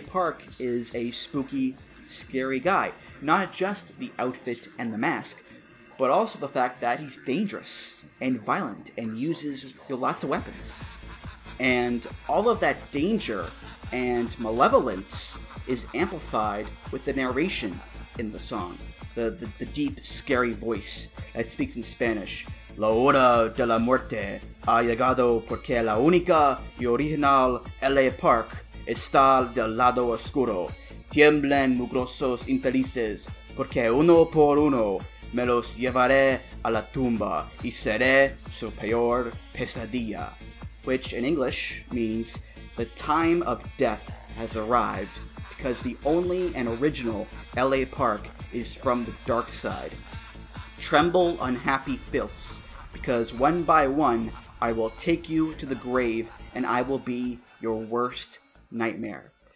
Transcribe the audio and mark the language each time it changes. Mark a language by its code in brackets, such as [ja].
[en] Park is a spooky, scary guy. Not just the outfit and the mask, but also the fact that he's dangerous and violent and uses lots of weapons. And all of that danger and malevolence is amplified with the narration in the song, the deep, scary voice that speaks in Spanish. [es] La hora de la muerte ha llegado porque la única y original L.A. Park está del lado oscuro. Tiemblen mugrosos infelices porque uno por uno me los llevaré a la tumba y seré su peor pesadilla. [en] Which in English means the time of death has arrived, because the only and original L.A. Park is from the dark side. Tremble, unhappy filths, because one by one, I will take you to the grave, and I will be your worst nightmare.